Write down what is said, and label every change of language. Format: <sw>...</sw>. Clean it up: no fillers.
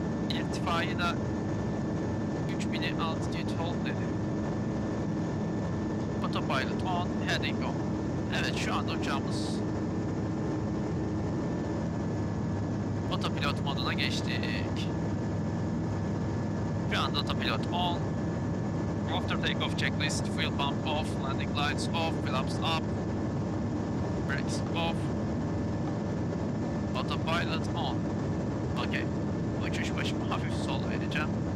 <tr>İrtifayı da 3000'i altitude hold dedi.</tr> <en>Autopilot on, heading on.</en> <tr>Evet, şu anda uçağımız otopilot moduna geçtik. Şu anda otopilot on.</tr> <en>After takeoff checklist, fuel pump off, landing lights off, flaps up, brakes off, autopilot on.</en> <tr>Okay, uçuş başımı hafif sol vereceğim.</tr>